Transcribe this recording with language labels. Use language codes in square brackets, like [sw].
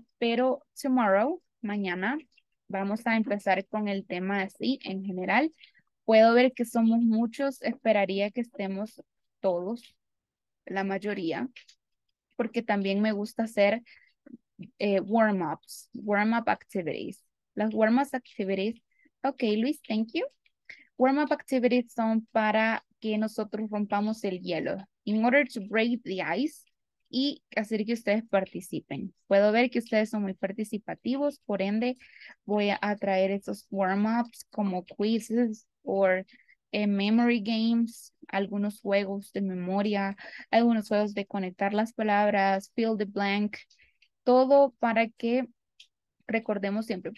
[es] Pero tomorrow, mañana, vamos a empezar con el tema así en general. Puedo ver que somos muchos, esperaría que estemos todos, la mayoría, porque también me gusta hacer warm-ups, warm-up activities. [en] Las warm-up activities, ok, Luis, thank you. [es] Warm-up activities son para que nosotros rompamos el hielo. [en] In order to break the ice [es] y hacer que ustedes participen. Puedo ver que ustedes son muy participativos, por ende voy a traer esos warm-ups como quizzes o [en] memory games, [es] algunos juegos de memoria, algunos juegos de conectar las palabras, [en] fill the blank, [es] todo para que recordemos siempre.